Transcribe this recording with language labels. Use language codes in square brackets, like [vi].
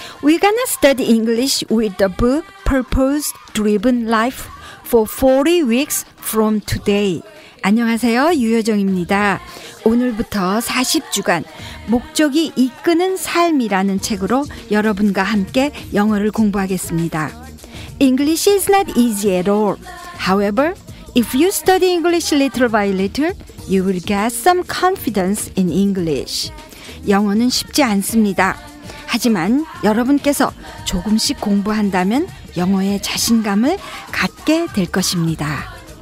[en] We're gonna study English with the book Purpose Driven Life for 40 weeks from today. [ko] 안녕하세요, 유효정입니다. 오늘부터 40주간 목적이 이끄는 삶이라는 책으로 여러분과 함께 영어를 공부하겠습니다. [en] English is not easy at all. However, if you study English little by little, you will get some confidence in English. [ko] 영어는 쉽지 않습니다. 하지만 여러분께서 조금씩 공부한다면 영어에 자신감을 갖게 될 것입니다.